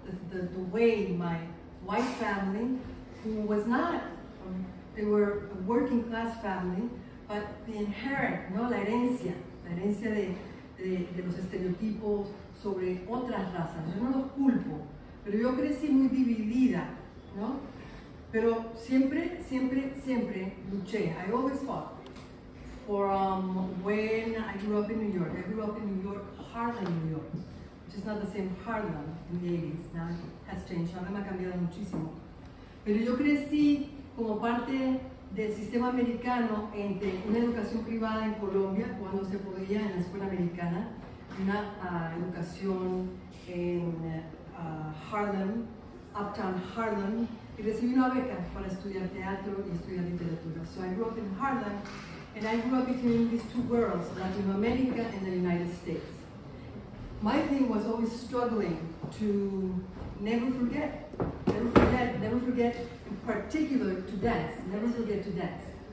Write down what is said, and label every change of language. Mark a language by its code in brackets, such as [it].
[en] The way my white family, who was not, they were a working class family, but the inherent, no, [es] la herencia de los estereotipos sobre otras razas. Yo no los culpo, pero yo crecí muy dividida, ¿no? Pero siempre luché. [en] I always fought from when I grew up in New York. I grew up in New York, Harlem, New York, which is not the same Harlem in the 80s. Now it has changed. [es] Harlem ha cambiado muchísimo. Pero yo crecí como parte del sistema americano entre una educación privada en Colombia, cuando se podía en la escuela americana, una educación en Harlem, Uptown Harlem, y recibí una beca para estudiar teatro y estudiar literatura. [en] So I grew up in Harlem, and I grew up between these two worlds, Latin America and the United States. My thing was always struggling to never forget, in particular, to dance. Never forget to dance.